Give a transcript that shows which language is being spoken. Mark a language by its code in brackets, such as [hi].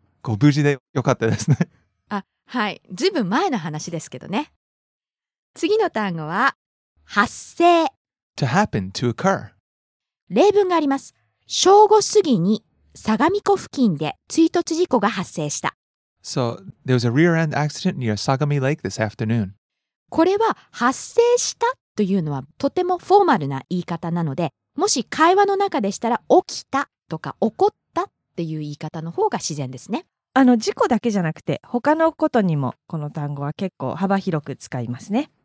[ja] ご無事でよかったですね。あ、はい、ずいぶん前の話ですけどね。次の単語は発生。 [en] To happen, to occur。 [ja] 例文があります。正午過ぎに相模湖付近で追突事故が発生した。 [en] So there was a rear end accident near Sagami Lake this afternoon。 [ja] これは発生したというのはとてもフォーマルな言い方なので、もし会話の中でしたら起きたとか起こったっていう言い方の方が自然ですね。あの事故だけじゃなくて他のことにもこの単語は結構幅広く使いますね。